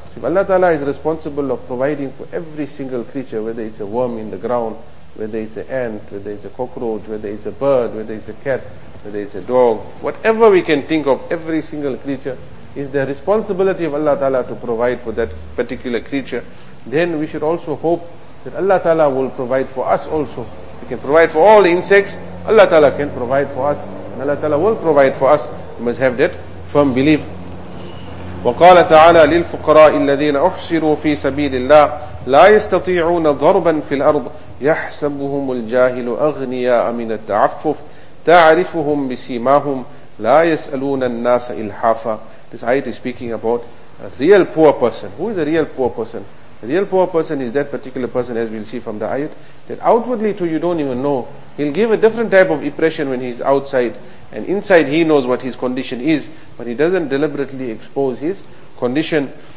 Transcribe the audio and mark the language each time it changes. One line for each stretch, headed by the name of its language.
English: If Allah Ta'ala is responsible of providing for every single creature, whether it's a worm in the ground, whether it's an ant, whether it's a cockroach, whether it's a bird, whether it's a cat, whether it's a dog, whatever we can think of, every single creature, is the responsibility of Allah Ta'ala to provide for that particular creature. Then we should also hope that Allah Ta'ala will provide for us also. He can provide for all the insects, Allah Ta'ala can provide for us, and Allah Ta'ala will provide for us. We must have that firm belief.
Arabic: وقال تعالى للفقراء الذين أحصروا في سبيل الله لا يستطيعون ضربا في الأرض يحسبهم الجاهل أغنياء من التعفف تعرفهم بسيماهم لا يسألون الناس إلحافا.
English: This ayat is speaking about a real poor person. Who is a real poor person? A real poor person is that particular person, as we'll see from the ayat, that outwardly to you don't even know. He'll give a different type of impression when he's outside. And inside he knows what his condition is, but he doesn't deliberately expose his condition.